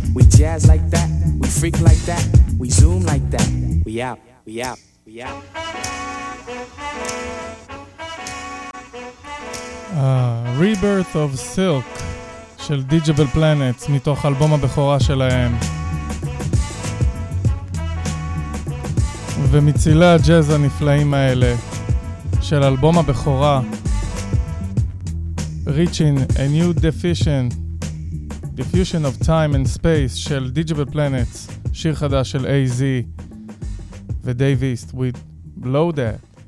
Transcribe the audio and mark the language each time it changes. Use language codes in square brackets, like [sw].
[en] We jazz like that, we freak like that, we zoom like that, we out, we out, we out. [he] Rebirth of Silk של Digital Planets מתוך אלבום הבכורה שלהם. ומצילי הג'אז הנפלאים האלה של אלבום הבכורה [en] reaching a new diffusion of time and space [he] של Digital Planets, שיר חדש של AZ ודייב איסט with Blow That.